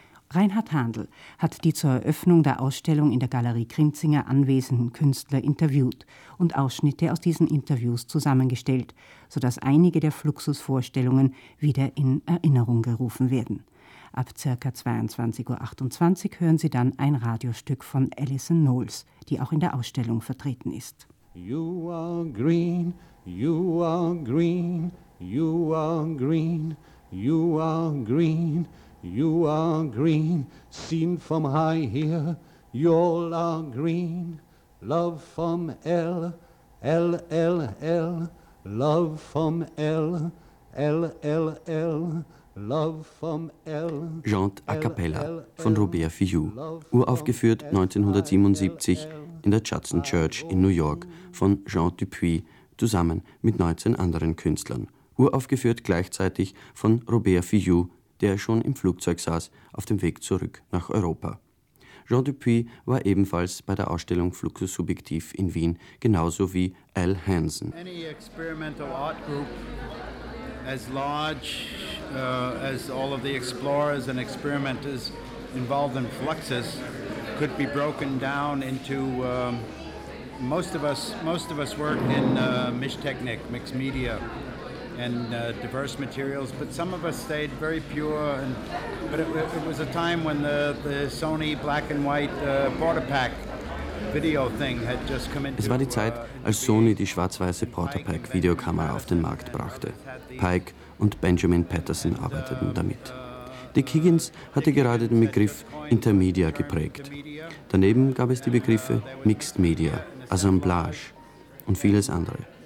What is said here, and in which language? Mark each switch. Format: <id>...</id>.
<de>Reinhard Handl hat die zur Eröffnung der Ausstellung in der Galerie Krinzinger anwesenden Künstler interviewt und Ausschnitte aus diesen Interviews zusammengestellt, sodass einige der Fluxus-Vorstellungen wieder in Erinnerung gerufen werden. Ab ca. 22.28 Uhr hören Sie dann ein Radiostück von Alison Knowles, die auch in der Ausstellung vertreten ist.</de> <en>You are green, you are green, you are green, you are green, you are green, seen from high here, you all are green, love from L, L, L, L, love from L, L, L, L. Love from L,</en> <de>Jante a cappella von Robert Filliou, uraufgeführt 1977 in der Judson Church in New York von Jean Dupuy zusammen mit 19 anderen Künstlern, uraufgeführt gleichzeitig von Robert Filloux, der schon im Flugzeug saß, auf dem Weg zurück nach Europa. Jean Dupuis war ebenfalls bei der Ausstellung Fluxus Subjektiv in Wien, genauso wie Al Hansen.</de> <en>Any experimental art group as large as all of the explorers and experimenters involved in Fluxus could be broken down into most of us work in Mischtechnik, mixed media and diverse materials, but some of us stayed very pure. And but it was a time when the Sony black and white Portapak video thing had just come into.</en> <de>Es war die Zeit, als Sony die schwarz-weiße Portapak Videokamera auf den Markt brachte. Pike und Benjamin Patterson arbeiteten damit. Dick Higgins hatte gerade den Begriff Intermedia geprägt. Daneben gab es die Begriffe Mixed Media, Assemblage und vieles andere.</de>